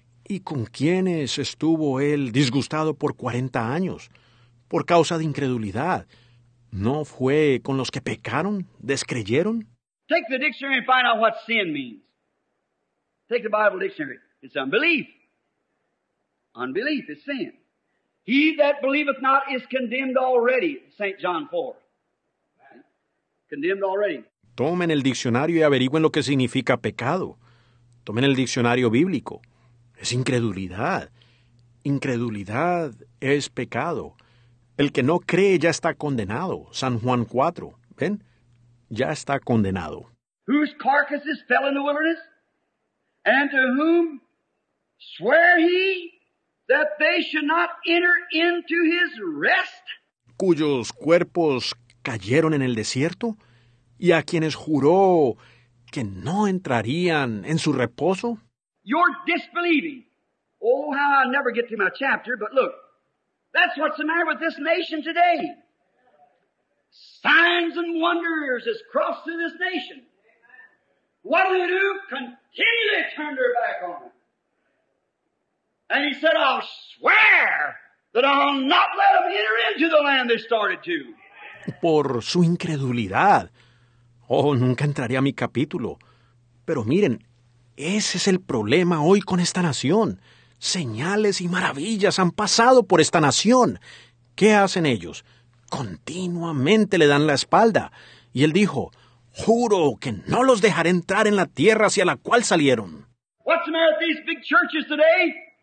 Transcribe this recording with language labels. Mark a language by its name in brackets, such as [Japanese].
[Spanish] ¿Y con quiénes estuvo él disgustado por 40 años? Por causa de incredulidad. ¿No fue con los que pecaron, descreyeron? [English] Take the dictionary and find out what sin means. Take the Bible dictionary. It's unbelief. Unbelief is sin. He that believeth not is condemned already, St. John 4. Condemned already. [Spanish] Tomen el diccionario y averigüen lo que significa pecado. Tomen el diccionario bíblico. Es incredulidad. Incredulidad es pecado. El que no cree ya está condenado. San Juan 4. ¿Ven? Ya está condenado. [English] Whose carcasses fell in the wilderness? And to whom swear he? That they should not enter into his rest. [Spanish] Cuyos cuerpos cayeron en el desierto, y a quienes juró que no entrarían en su reposo. [English] You're disbelieving. Oh, how I never get to my chapter, but look, that's what's the matter with this nation today. Signs and wonders has crossed through this nation. What do they do? Continually turn their back on it. And he said, I'll swear that I'll not let them enter into the land they started to. [Spanish] Por su incredulidad. Oh, nunca entraré a mi capítulo. Pero miren, ese es el problema hoy con esta nación. Señales y maravillas han pasado por esta nación. ¿Qué hacen ellos? Continuamente le dan la espalda. Y él dijo, juro que no los dejaré entrar en la tierra hacia la cual salieron. [English] What's the matter with these big churches today?